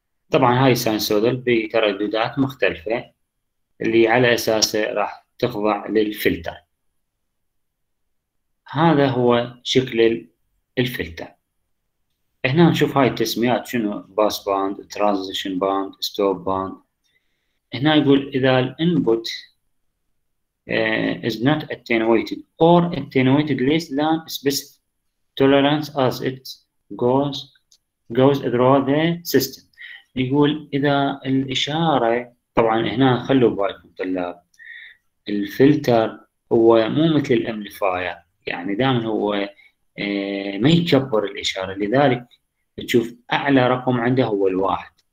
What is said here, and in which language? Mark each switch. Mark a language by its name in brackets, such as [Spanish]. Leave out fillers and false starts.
[Arabic] طبعا هاي ساينسودال بترددات مختلفة اللي على أساسها راح تخضع للفلتر. هذا هو شكل الفلتر. هنا نشوف هاي التسميات شنو، باس باند، ترانزيشن باند، ستوب باند. هنا يقول إذا الانبوت [English] is not attenuated or attenuated less than specific tolerance as it goes through the system. [Arabic] يقول إذا الإشارة، طبعا هنا خلوا بالكم طلاب، الفلتر هو مو مثل الامبليفاير، يعني دائما هو ما يكبر الإشارة، لذلك تشوف أعلى رقم عنده هو الواحد.